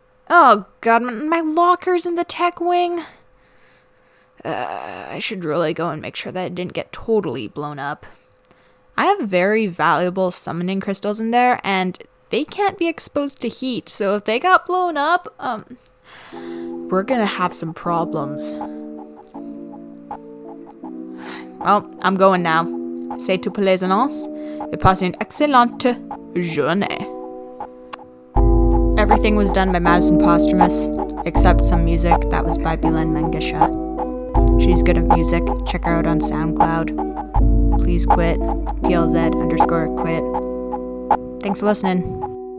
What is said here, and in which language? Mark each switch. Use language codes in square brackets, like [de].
[en] Oh god, my locker's in the tech wing. I should really go and make sure that it didn't get totally blown up. I have very valuable summoning crystals in there, and they can't be exposed to heat, so if they got blown up, we're gonna have some problems. Well, I'm going now. [fr] C'est tout pour les annonces, et passez une excellente journée. [en] Everything was done by Madison Posthumus, except some music that was by Belen Mengisha. She's good at music. Check her out on SoundCloud. Please quit. PLZ_quit. Thanks for listening.